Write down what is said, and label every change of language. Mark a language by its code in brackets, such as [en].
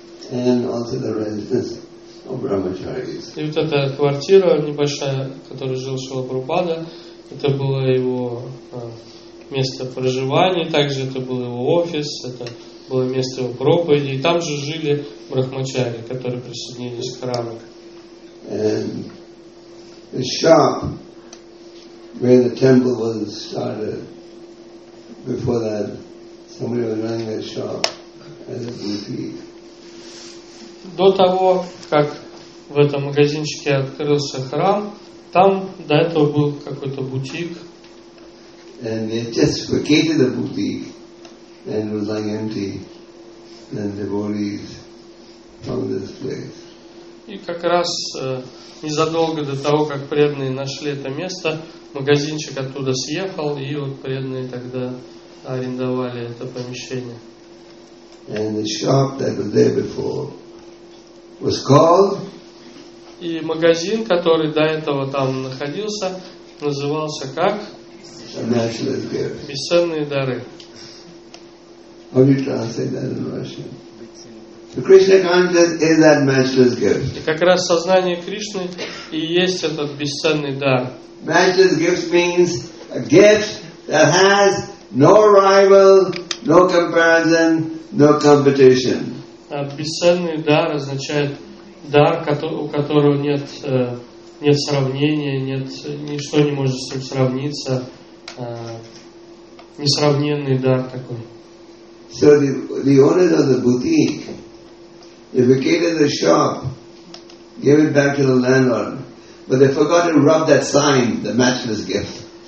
[en] And also the residence of Brahmacharis. [ru] И вот эта квартира небольшая, в которой жил Шрила Прабхупада, это было его место проживания, также это был его офис, это было место его проповеди, и там же жили брахмачари, которые присоединились к храму. [en] And the shop where the temple was started, before that somebody was running that shop as a boutique. [ru] До того, как в этом магазинчике открылся храм, там до этого был какой-то бутик. [en] And they just vacated the boutique and was lying empty. Then devotees from this place. [ru] И как раз незадолго до того, как преданные нашли это место, магазинчик оттуда съехал, и вот преданные тогда арендовали это помещение. [en] And the shop that was there before was called. [ru] И магазин, который до этого там находился, назывался как? [en] Immaculate Gift. [ru] Бесценные дары. [en] How do you translate that in Russian? The Krishna consciousness is that matchless gift. [ru] И как раз сознание Кришны и есть этот бесценный дар. [en] Matchless gift means a gift that has no rival, no comparison, no competition. [ru] Бесценный дар означает дар, у которого нет сравнения, нет, ничто не может с ним сравниться. Несравненный дар такой. [en] So the owner of the boutique, they vacated the shop, gave it back to the landlord, but they forgot to rub that sign, the matchless gift.